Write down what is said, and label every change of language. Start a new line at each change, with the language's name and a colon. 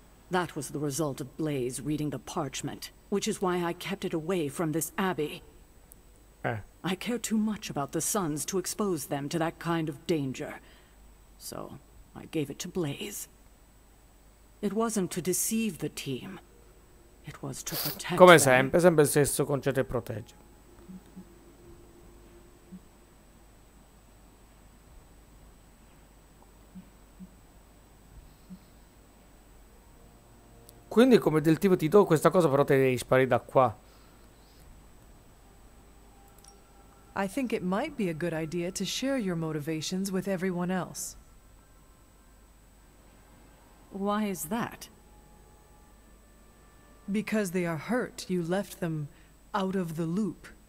English: That was the result of Blaze reading the parchment, which is why I kept it away from this abbey. I care too much about the sons to expose them to that kind of danger. So, I gave it to Blaze. It wasn't to deceive the team. It was to protect.
Italian: Come sempre, sempre il stesso concetto e protegge. Quindi come del tipo ti do questa cosa però te devi sparire da qua.
English: I think it might be a good idea to share your motivations with everyone else. Why is that? Because they are hurt, you left them out of the loop.